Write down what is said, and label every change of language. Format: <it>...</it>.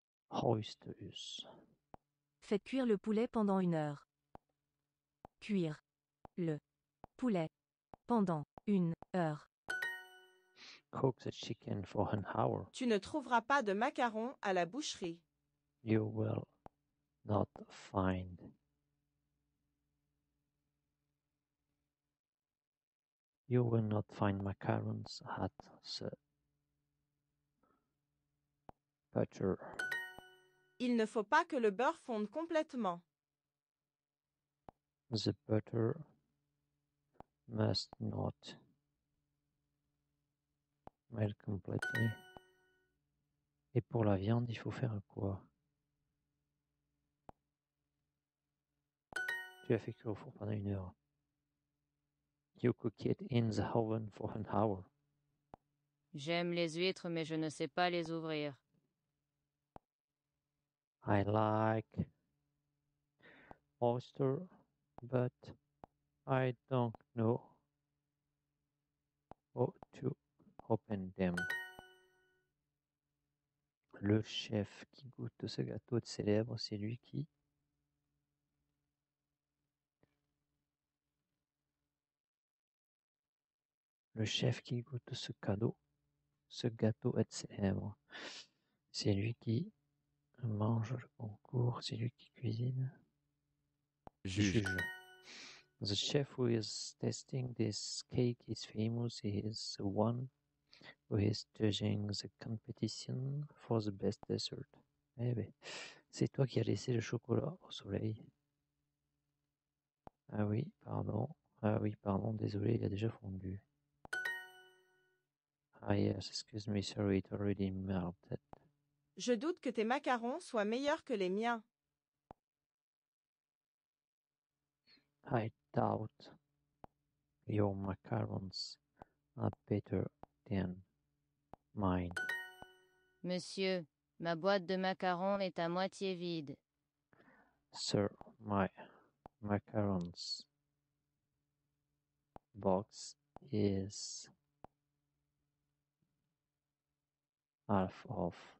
<en>Oysters.</en> <fr>Faites cuire le poulet pendant une heure. Cuire le poulet pendant une heure.</fr> <en>Cook the chicken for an hour.</en> <fr>Tu ne trouveras pas de macarons à la boucherie.</fr> <en>You will not find macarons at the butcher.</en> <fr>Il ne faut pas que le beurre fonde complètement.</fr> <en>The butter must not</en> <fr>complètement. Et pour la viande, il faut faire quoi? Tu as fait cuire au four pendant une heure.</fr> <en>You cook it in the oven for an hour.</en> <fr>J'aime les huîtres, mais je ne sais pas les ouvrir.</fr> <en>I like oyster, but I don't know how to open them.</en> <fr>Le chef qui goûte ce gâteau de célèbre, c'est lui qui... Le chef qui goûte ce cadeau, ce gâteau est célèbre. C'est lui qui mange le concours, c'est lui qui cuisine. Juge.</fr> <en>The chef who is testing this cake is famous. He is the one who is judging the competition for the best dessert.</en> <fr>Eh bien, c'est toi qui as laissé le chocolat au soleil. Ah oui, pardon. Ah oui, pardon, désolé, il a déjà fondu.</fr> <en>Ah yes, excuse me, sorry, it already melted.</en> <fr>Je doute que tes macarons soient meilleurs que les miens.</fr> <en>I doubt your macarons are better than mine.</en> <fr>Monsieur, ma boîte de macarons est à moitié vide.</fr> <en>Sir, my macarons box is half of.</en>